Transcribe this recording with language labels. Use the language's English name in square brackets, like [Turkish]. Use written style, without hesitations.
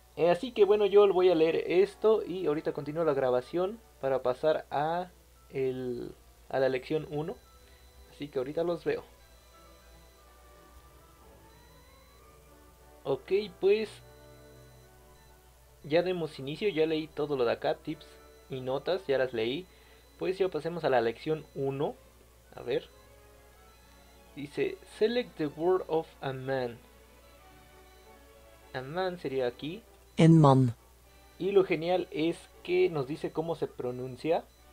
[Spanish] Así que bueno, yo voy a leer esto y ahorita continúo la grabación para pasar a la lección 1. Así que ahorita los veo. Ok, pues ya demos inicio, ya leí todo lo de acá, tips y notas, ya las leí. Pues ya pasemos a la lección 1. A ver. Dice, [English] select the word of a man. [Spanish] A man sería aquí. [Norwegian] En man. [Spanish] Y lo genial es que nos dice cómo se pronuncia.